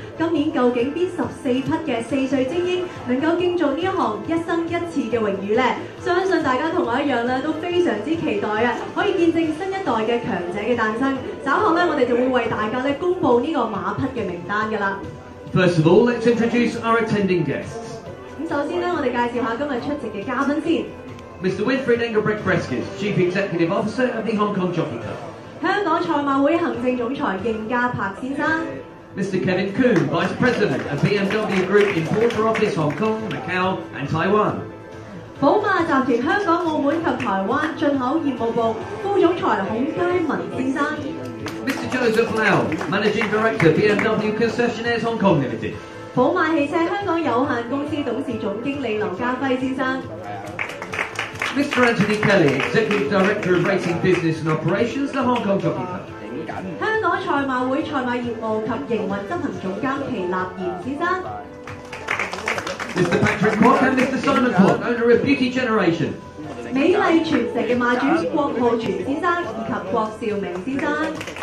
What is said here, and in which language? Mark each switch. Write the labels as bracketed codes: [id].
[yue] 今年究竟哪14匹的四岁精英能够竞逐这项一生一次的荣誉呢？相信大家同我一样都非常之期待，可以见证新一代的强者的诞生。稍后我们就会为大家公布这个马匹的名单的了。 [en] First of all, let's introduce our attending guests. [yue] 首先我们介绍一下今天出席的嘉宾先。 [en] Mr. Winfried Engelbrecht-Breskes, Chief Executive Officer of the Hong Kong Jockey Club. [yue] 香港赛马会行政总裁应家柏先生。 [en] Mr. Kevin Kuhn, Vice President of BMW Group Importer Office Hong Kong, Macau and Taiwan. [yue] 宝马集团香港、澳门及台湾进口业务部副总裁孔佳文先生。 [en] Mr. Joseph Lau, Managing Director BMW Concessionaires Hong Kong Limited. [yue] 宝马汽车香港有限公司董事总经理刘家辉先生。 [en] Mr. Anthony Kelly, Executive Director of Racing Business and Operations, the Hong Kong Jockey Club. [yue] 香港赛马会赛马业务及营运执行总监祁立贤先生。 [en] Mr. Patrick Kwok and Mr. Simon Kwok, Owner of Beauty Generation. [yue] 美丽传承的卖主郭浩全先生以及郭兆明先生。